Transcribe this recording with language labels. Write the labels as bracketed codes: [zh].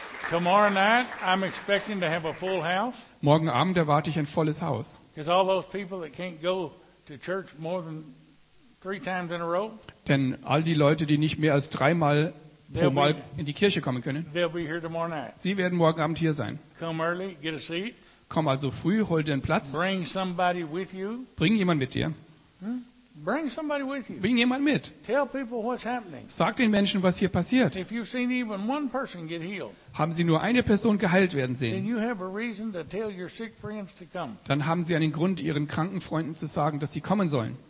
[en] Tomorrow night, I'm expecting to have a full house. [de] Morgen Abend erwarte ich ein volles Haus. [en] Because all those people that can't go to church more than 3 times in a row. [de] Denn all die Leute, die nicht mehr als 3-mal pro Mal in die Kirche kommen können. [en] They'll be here tomorrow night. [de] Sie werden morgen Abend hier sein. [en] Come early, get a seat. [de] Komm also früh, hol dir einen Platz. [en] Bring somebody with you. [de] Bring jemand mit dir. [en] Hm? Bring somebody with you. [de] Bring jemand mit. [en] Tell people what's happening. [de] Sag den Menschen, was hier passiert. [en] If you've seen even one person get healed, [de] haben Sie nur eine Person geheilt werden sehen, [en] then you have a reason to tell your sick friends to come. [de] Dann haben Sie einen Grund, Ihren kranken Freunden zu sagen, dass sie kommen sollen.